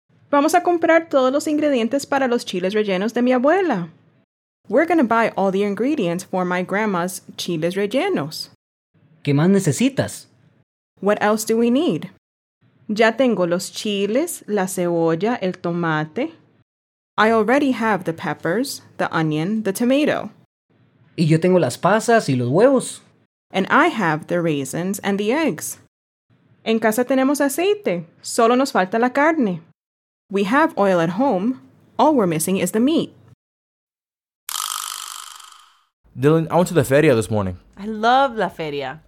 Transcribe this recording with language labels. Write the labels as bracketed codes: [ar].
[es] Vamos a comprar todos los ingredientes para los chiles rellenos de mi abuela. [en] We're gonna buy all the ingredients for my grandma's chiles rellenos. [es] ¿Qué más necesitas? [en] What else do we need? [es] Ya tengo los chiles, la cebolla, el tomate. [en] I already have the peppers, the onion, the tomato. [es] Y yo tengo las pasas y los huevos. [en] And I have the raisins and the eggs. [es] En casa tenemos aceite. Solo nos falta la carne. [en] We have oil at home. All we're missing is the meat. Dylan, I went to the feria this morning. I love [es] la feria.